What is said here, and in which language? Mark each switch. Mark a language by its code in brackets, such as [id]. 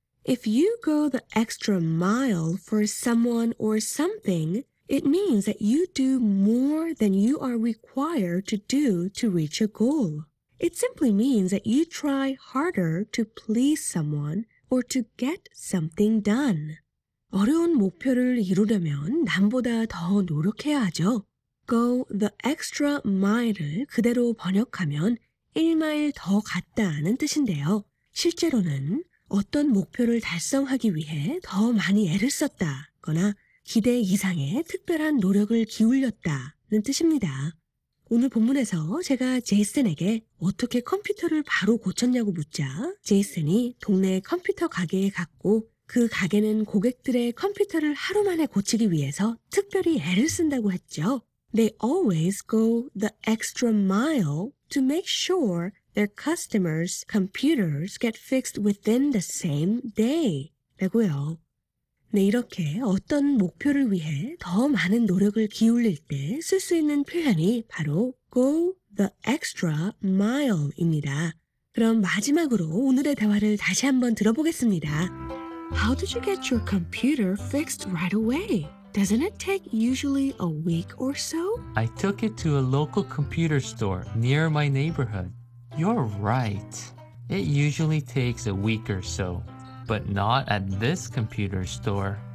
[en] If you go the extra mile for someone or something, it means that you do more than you are required to do to reach a goal. It simply means that you try harder to please someone or to get something done. [ko] 어려운 목표를 이루려면 남보다 더 노력해야 하죠. [en] Go the extra mile [ko] 을 그대로 번역하면 1마일 더 갔다는 뜻인데요. 실제로는 어떤 목표를 달성하기 위해 더 많이 애를 썼다거나 기대 이상의 특별한 노력을 기울였다는 뜻입니다. 오늘 본문에서 제가 제이슨에게 어떻게 컴퓨터를 바로 고쳤냐고 묻자 제이슨이 동네 컴퓨터 가게에 갔고 그 가게는 고객들의 컴퓨터를 하루 만에 고치기 위해서 특별히 애를 쓴다고 했죠. [en] They always go the extra mile to make sure their customers' computers get fixed within the same day. [ko] 라고요. 네, 이렇게 어떤 목표를 위해 더 많은 노력을 기울일 때 쓸 수 있는 표현이 바로 [en] go the extra mile [ko] 입니다. 그럼 마지막으로 오늘의 대화를 다시 한번 들어보겠습니다. [en] How did you get your computer fixed right away? Doesn't it take usually a week or so? I took it to a local computer store near my neighborhood. You're right. It usually takes a week or so. But not at this computer store.